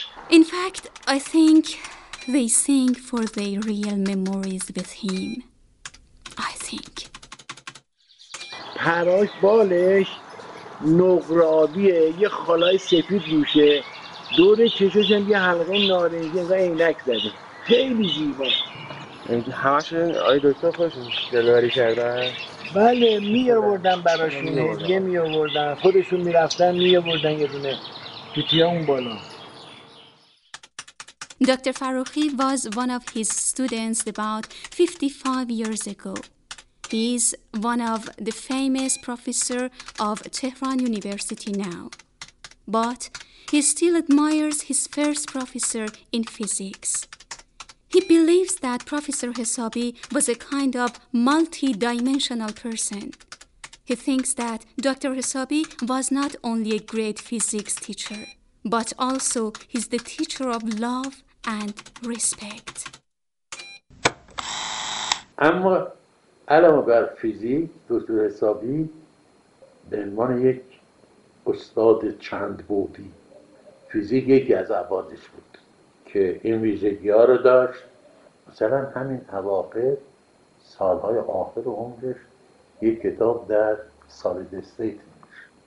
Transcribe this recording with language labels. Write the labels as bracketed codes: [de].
[en] In fact, I think they sing for their real memories with him. I think. [fa] پراش بالش نقرابیه، یه خالای سفید روشه، دور چشش هم یه حلقه نارنجی و عینک زده، خیلی زیبا. همش آی دکتر خودشون دلیوری کردن؟ بله، میآوردن براشون، هدیه میآوردن، خودشون میرفتن میآوردن یه دونه توتیا اون بالا. [en] دکتر فاروقی was one of his students about 55 years ago. He is one of the famous professor of Tehran University now. but he still admires his first professor in physics. He believes that Professor Hesabi was a kind of multi-dimensional person. He thinks that Dr. Hesabi was not only a great physics teacher, but also he's the teacher of love and respect. [fa] اما علاوه بر فیزیک، دکتر حسابی به عنوان یک استاد چند بعدی، فیزیک یکی از ابعادش بود که این ویژگی‌ها رو داشت. مثلا همین اواخر سالهای آخر عمرش یک کتاب در سالید استیت نوشت.